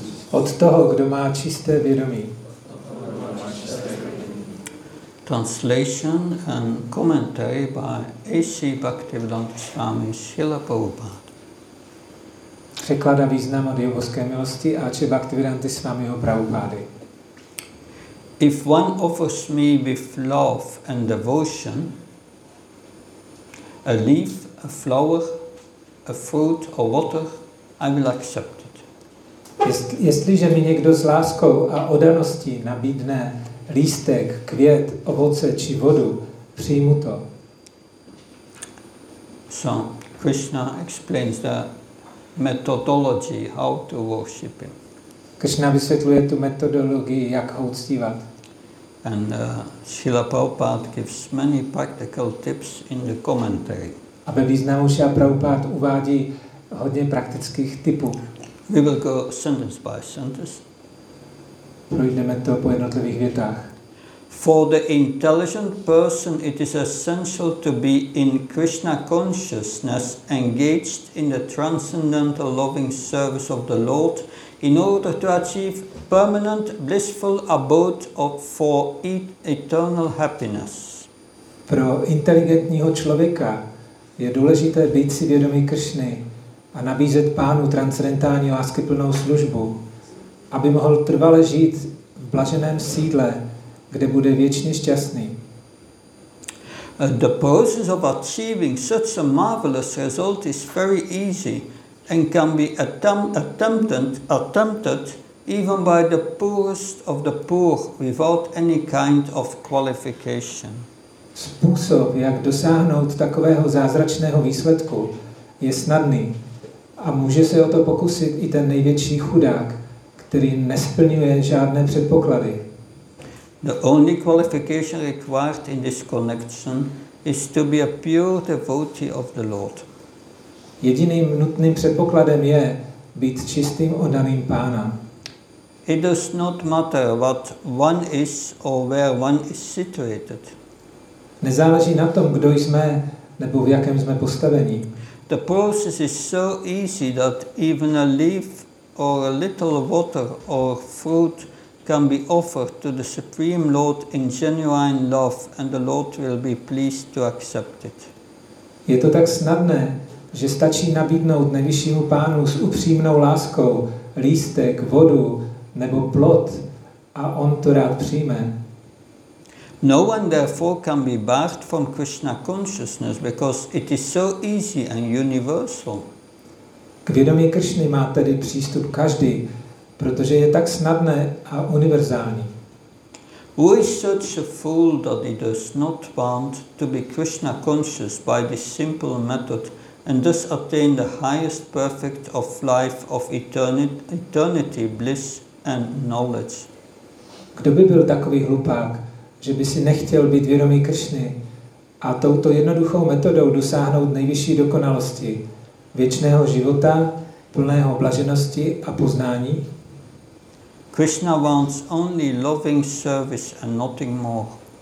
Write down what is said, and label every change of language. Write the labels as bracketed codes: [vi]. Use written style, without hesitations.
[cs] Od toho, kdo má čisté vědomí. [en] Translation and commentary by A.C. Bhaktivedanta Swami Srila Prabhupada. [cs] Překlad a význam od jogovské milosti A.C. Bhaktivedanta Swami Prabhupady. [en] If one offers me with love and devotion, a leaf, a flower, a fruit, or water, I will accept it. [cs] Jestliže mi někdo s láskou a oddaností nabídne lístek, květ, ovoce či vodu, přijmu to. [en] So Krishna explains the methodology how to worship him. [cs] Krishna vysvětluje tu metodologii, jak ho uctívat. [en] And Srila Prabhupada gives many practical tips in the commentary. [cs] A ve významu Srila Prabhupada uvádí hodně praktických tipů. [en] We will go sentence by sentence. [cs] Projdeme to po jednotlivých větách. [en] For the intelligent person, it is essential to be in Krishna consciousness, engaged in the transcendental loving service of the Lord, in order to achieve permanent blissful abode for eternal happiness. [cs] Pro inteligentního člověka je důležité být si vědomý Krishny a nabízet pánu transcendentální láskyplnou službu, aby mohl trvale žít v blaženém sídle, kde bude věčně šťastný. [en] The process of achieving such a marvelous result is very easy and can be attempted even by the poorest of the poor without any kind of qualification. [cs] Způsob, jak dosáhnout takového zázračného výsledku, je snadný a může se o to pokusit i ten největší chudák, který nesplňuje žádné předpoklady. [en] The only qualification required in this connection is to be a pure devotee of the Lord. [cs] Jediným nutným předpokladem je být čistým oddaným pána. [en] It does not matter what one is or where one is situated. [cs] Nezáleží na tom, kdo jsme nebo v jakém jsme postavení. [en] The process is so easy that even a leaf or a little water or fruit can be offered to the Supreme Lord in genuine love, and the Lord will be pleased to accept it. [cs] Je to tak snadné, že stačí nabídnout nejvyššímu pánu s upřímnou láskou lístek, vodu nebo plod, a on to rád přijme. [en] No one therefore can be barred from Krishna consciousness because it is so easy and universal. [cs] K vědomí Krishny má tedy přístup každý, protože je tak snadné a univerzální. [en] Who is such a fool that he does not want to be Krishna conscious by this simple method and thus attain the highest perfect of life of eternity, bliss and knowledge? [cs] Kdo by byl takový hlupák, že by si nechtěl být vědomý Krishny a touto jednoduchou metodou dosáhnout nejvyšší dokonalosti, věčného života, plného blaženosti a poznání? [en] Krishna wants only loving service and nothing more.